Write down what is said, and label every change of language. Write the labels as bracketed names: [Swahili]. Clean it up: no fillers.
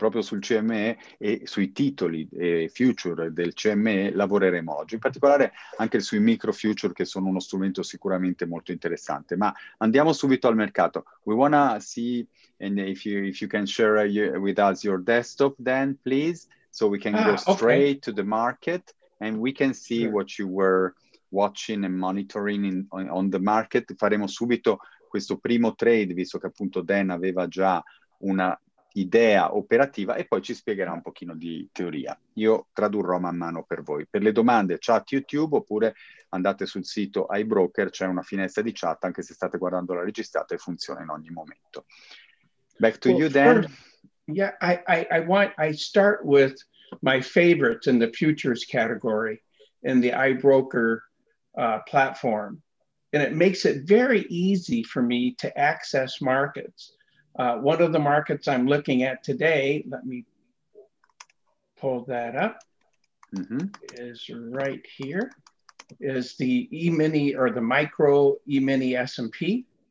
[Italian] E proprio sul CME e sui titoli e future del CME lavoreremo oggi, in particolare anche sui micro future che sono uno strumento sicuramente molto interessante. Ma andiamo subito al mercato. [English] We want to see and if you can share with us your desktop then, please, so we can go Ah, ok. straight to the market and we can see Sure. what you were watching and monitoring on the market. [Italian] Faremo subito questo primo trade, visto che appunto Dan aveva già una idea operativa e poi ci spiegherà un pochino di teoria. Io tradurrò man mano per voi. Per le domande, chat YouTube oppure andate sul sito iBroker, c'è una finestra di chat anche se state guardando la registrata e funziona in ogni momento. [English] Back to Well, you, Dan. first, yeah, I start with my favorites in the futures category in the iBroker platform. And it makes it very easy for me to access markets. One of the markets I'm looking at today, let me pull that up, is right here, is the E-mini or the micro E-mini S&P.